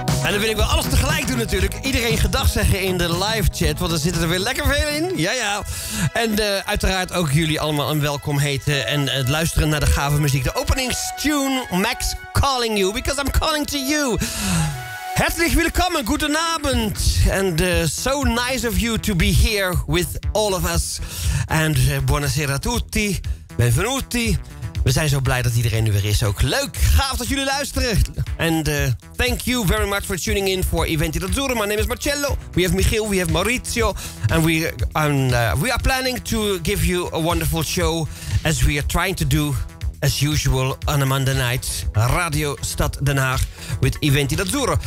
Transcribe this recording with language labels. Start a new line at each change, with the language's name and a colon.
Dutch: dan wil ik wel alles tegelijk doen natuurlijk. Iedereen gedag zeggen in de live chat, want er zitten er weer lekker veel in. Ja, ja. En uiteraard ook jullie allemaal een welkom heten en het luisteren naar de gave muziek. De openingstune,
English: Max calling you, because I'm calling to you.
Dutch: Hartelijk welkom, goedenavond.
English: And so nice of you to be here with all of us.
Italian: And buonasera a tutti, benvenuti.
Dutch: We zijn zo blij dat iedereen nu weer is. Ook leuk, gaaf dat jullie luisteren.
English: And thank you very much for tuning in for Iventi d'Azzurro. My name is Marcello. We have Michiel, we have Maurizio. And we are planning to give you a wonderful show as we are trying to do as usual on a Monday night, Radio Stad Den Haag with Iventi d'Azzurro.